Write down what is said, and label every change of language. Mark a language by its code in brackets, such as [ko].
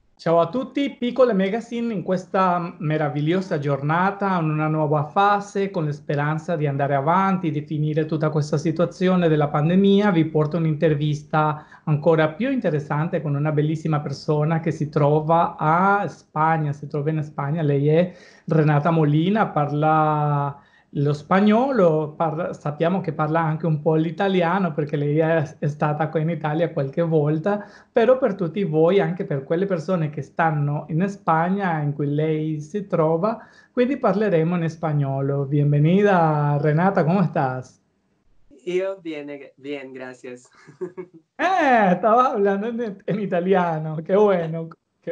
[it] Ciao a tutti, piccole magazine, in questa meravigliosa giornata, in una nuova fase, con la speranza di andare avanti, di finire tutta questa situazione della pandemia, vi porto un'intervista ancora più interessante con una bellissima persona che si trova a Spagna, si trova in Spagna, lei è Renata Molina, parla lo spagnolo, sappiamo che parla anche un po' l'italiano perché lei è stata qui in Italia qualche volta, però per tutti voi, anche per quelle persone che stanno in Spagna in cui lei si trova, quindi parleremo in spagnolo. [es] Bienvenida Renata, ¿cómo estás? [it] Io bene, [es] bien, gracias. [it] Stavo parlando in italiano, che bueno, che